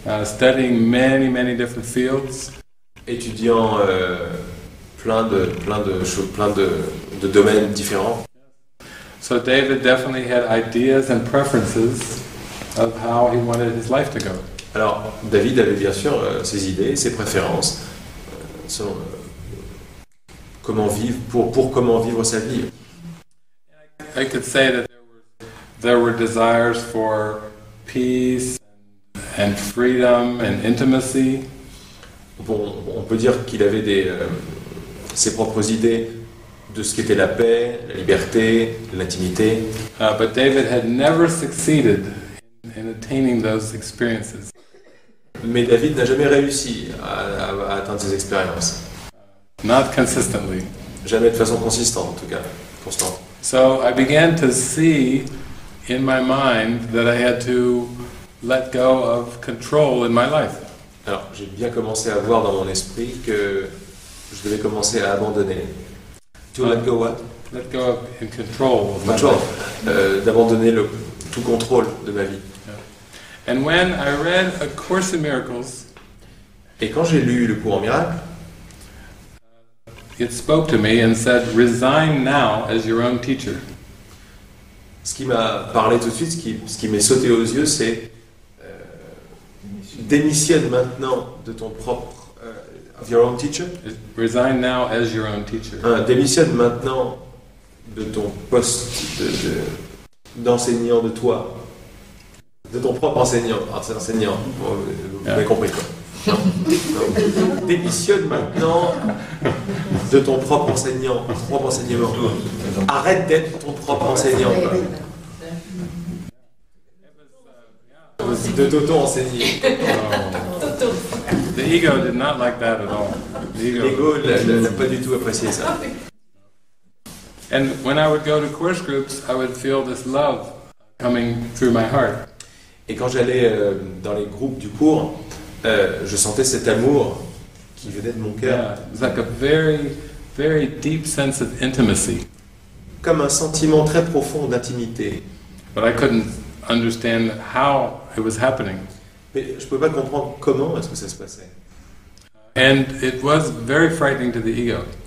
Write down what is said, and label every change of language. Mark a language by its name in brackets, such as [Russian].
[English] Studying many, many different fields. [French] Étudiant plein de domaines différents. [English] So David definitely had ideas and preferences of how he wanted his life to go. [French] Alors, David avait bien sûr ses idées, ses préférences. Comment vivre sa vie. [English] I could say that there were desires for peace and freedom and intimacy. [French] On peut dire qu'il avait ses propres idées de ce qu'était la paix, la liberté, l'intimité. [English] But David had never succeeded in attaining those experiences. [French] Mais David n'a jamais réussi à atteindre ces expériences. [English] Not consistently. [French] Jamais de façon consistante, en tout cas, constante. [English] So I began to see in my mind that I had to let go of control in my life. [French] Alors, j'ai bien commencé à voir dans mon esprit que je devais commencer à abandonner. [English] To let go what? Let go of control. Control. [French] D'abandonner le tout contrôle de ma vie. [English] Yeah. And when I read A Course in Miracles, [French] et quand j'ai lu Le Cours en Miracles, [English] it spoke to me and said, resign now as your own teacher. [French] Ce qui m'a parlé tout de suite, ce qui m'est sauté aux yeux, c'est démissionne maintenant de ton propre [English] of your own teacher. Resign now as your own teacher. [French] Démissionne maintenant de ton poste de d'enseignant de toi, de ton propre enseignant. Ah, c'est enseignant. Vous m'avez compris quoi. Non. Démissionne maintenant de ton propre enseignant, ton propre enseignement. Arrête d'être ton propre enseignant. De Toto enseigné. Toto. [English] The ego did not like that at all. [French] L'ego n'a pas du tout apprécié ça. [English] And when I would go to course groups, I would feel this love coming through my heart. [French] Et quand j'allais dans les groupes du cours, je sentais cet amour qui venait de mon cœur. [English] Yeah, like a very, very deep sense of intimacy. [French] Comme un sentiment très profond d'intimité. [English] But I couldn't understand how it was happening. [French] Mais je ne pouvais pas comprendre comment est-ce que ça se passait. [English] And it was very frightening to the ego.